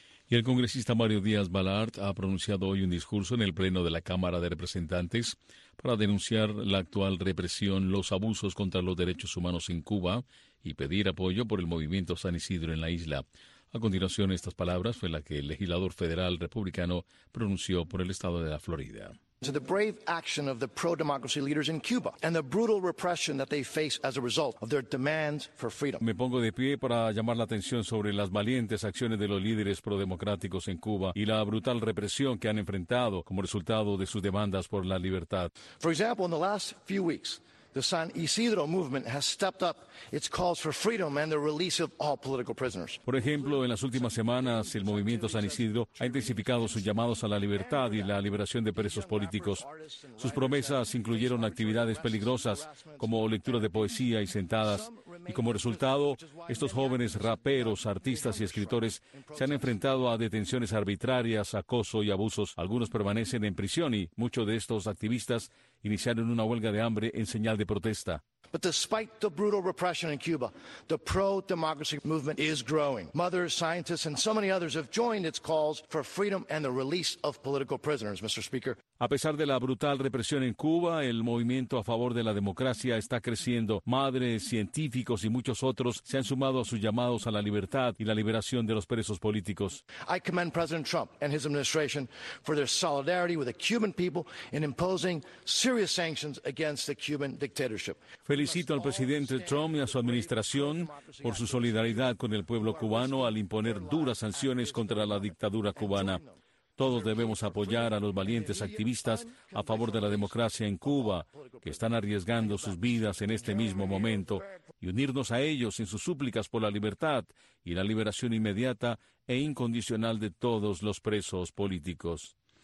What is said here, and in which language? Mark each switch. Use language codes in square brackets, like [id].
[es] Y el congresista Mario Díaz-Balart ha pronunciado hoy un discurso en el Pleno de la Cámara de Representantes para denunciar la actual represión, los abusos contra los derechos humanos en Cuba y pedir apoyo por el movimiento San Isidro en la isla. A continuación, estas palabras fue la que el legislador federal republicano pronunció por el estado de la Florida. [en] To the brave action of the pro-democracy leaders in Cuba and the brutal repression that they face as a result of their demands for freedom. [es] Me pongo de pie para llamar la atención sobre las valientes acciones de los líderes pro-democráticos en Cuba y la brutal represión que han enfrentado como resultado de sus demandas por la libertad. [en] For example, in the last few weeks, the San Isidro movement has stepped up its calls for freedom and the release of all political prisoners. [es] Por ejemplo, en las últimas semanas, el movimiento San Isidro ha intensificado sus llamados a la libertad y la liberación de presos políticos. Sus promesas incluyeron actividades peligrosas como lectura de poesía y sentadas. Y como resultado, estos jóvenes raperos, artistas y escritores se han enfrentado a detenciones arbitrarias, acoso y abusos. Algunos permanecen en prisión y muchos de estos activistas iniciaron una huelga de hambre en señal de protesta. [en] But despite the brutal repression in Cuba, the pro-democracy movement is growing. Mothers, scientists, and so many others have joined its calls for freedom and the release of political prisoners, Mr. Speaker. [es] A pesar de la brutal represión en Cuba, el movimiento a favor de la democracia está creciendo. Madres, científicos y muchos otros se han sumado a sus llamados a la libertad y la liberación de los presos políticos. [en] I commend President Trump and his administration for their solidarity with the Cuban people in imposing serious sanctions against the Cuban dictatorship. [es] Felicito al presidente Trump y a su administración por su solidaridad con el pueblo cubano al imponer duras sanciones contra la dictadura cubana. Todos debemos apoyar a los valientes activistas a favor de la democracia en Cuba, que están arriesgando sus vidas en este mismo momento, y unirnos a ellos en sus súplicas por la libertad y la liberación inmediata e incondicional de todos los presos políticos.